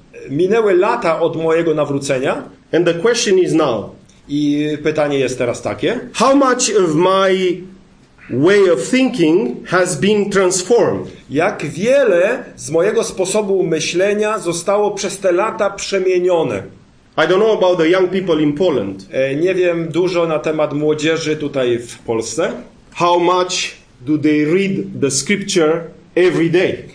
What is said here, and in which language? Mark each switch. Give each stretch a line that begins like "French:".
Polish: Minęły lata od mojego nawrócenia.
English: And the question is now.
Polish: I pytanie jest teraz takie.
English: How much of my way of thinking has been transformed?
Polish: Jak wiele z mojego sposobu myślenia zostało przez te lata przemienione?
English: I don't know about the young people in Poland.
Polish: Nie wiem dużo na temat młodzieży tutaj w Polsce.
English: How much do they read the scripture every day?